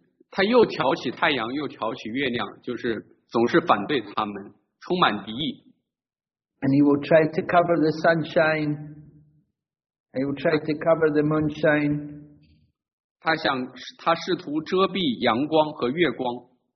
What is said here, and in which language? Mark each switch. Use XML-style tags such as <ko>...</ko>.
<zh>他又挑起太阳，又挑起月亮，就是总是反对他们，充满敌意。</zh> <en>And he will try to cover the sunshine. He will try to cover the moonshine.</en> <zh>他试图遮蔽阳光和月光。</zh>